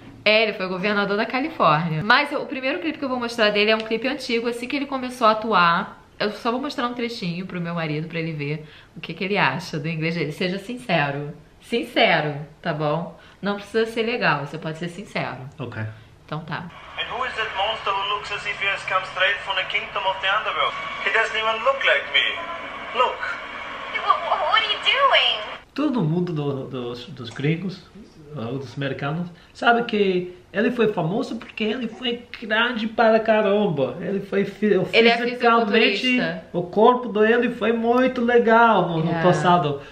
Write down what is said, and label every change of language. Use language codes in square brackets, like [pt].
[pt] É, ele foi governador da Califórnia. Mas o primeiro clipe que eu vou mostrar dele é um clipe antigo, assim que ele começou a atuar. Eu só vou mostrar um trechinho pro meu marido pra ele ver o que, que ele acha do inglês dele. Seja sincero. Sincero, tá bom? Não precisa ser legal, você pode ser sincero. Ok. Então tá. [en] And who is that monster who looks as if he has come straight from the kingdom of the underworld? He doesn't even look like me. Look. What are you doing? [pt] Todo mundo dos gringos, ou dos americanos, sabe que ele foi famoso porque ele foi grande para caramba. Ele foi fisicamente, o corpo dele foi muito legal no passado.